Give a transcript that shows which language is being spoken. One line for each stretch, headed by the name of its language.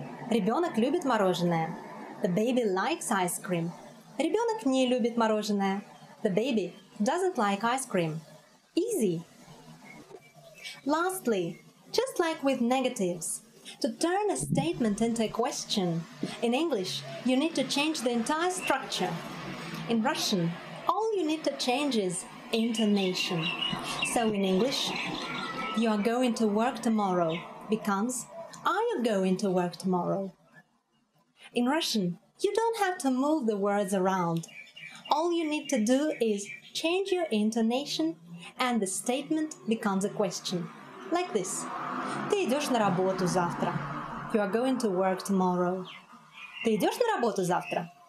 Russian: Ребенок любит мороженое.
English: The baby likes ice cream.
Russian: Ребенок не любит мороженое.
English: The baby doesn't like ice cream. Easy. Lastly, just like with negatives, to turn a statement into a question, in English, you need to change the entire structure. In Russian, all you need to change is intonation. So in English, you are going to work tomorrow becomes, are you going to work tomorrow? In Russian, you don't have to move the words around. All you need to do is change your intonation and the statement becomes a question. Like this.
Russian: Ты идёшь на работу завтра.
English: You are going to work tomorrow.
Russian: Ты идёшь на работу завтра.